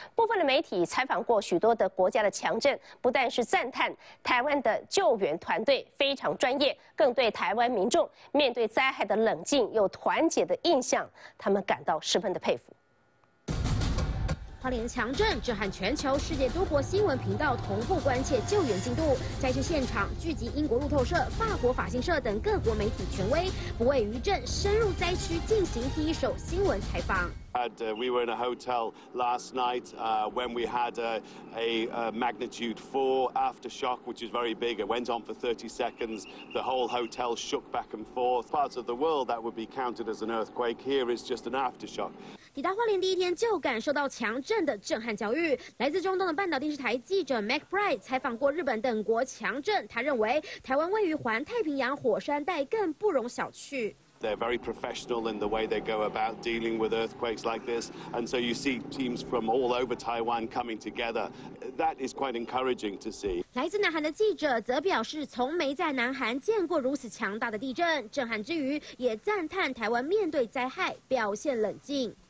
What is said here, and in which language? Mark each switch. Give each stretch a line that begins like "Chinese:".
Chinese: 部分的媒体采访过许多的国家的强震，不但是赞叹台湾的救援团队非常专业，更对台湾民众面对灾害的冷静又团结的印象，他们感到十分的佩服。花莲强震震撼全球，世界多国新闻频道同步关切救援进度。灾区现场聚集英国路透社、法国法新社等各国媒体权威，不畏余震深入灾区进行第一手新闻采访。
English: We were in a hotel last night when we had a magnitude 4 aftershock, which is very big. It went on for 30 seconds. The whole hotel shook back and forth. Parts of the world that would be counted as an earthquake here is just an aftershock.
Chinese: 抵达花莲第一天就感受到强震的震撼教育。来自中东的半岛电视台记者 McBride 采访过日本等国强震，他认为台湾位于环太平洋火山带，更不容小觑。
English: They're very professional in the way they go about dealing with earthquakes like this. And so you see teams from all over Taiwan coming together. That is quite encouraging to see.
Chinese: 来自南韩的记者则表示，从没在南韩见过如此强大的地震，震撼之余也赞叹台湾面对灾害表现冷静。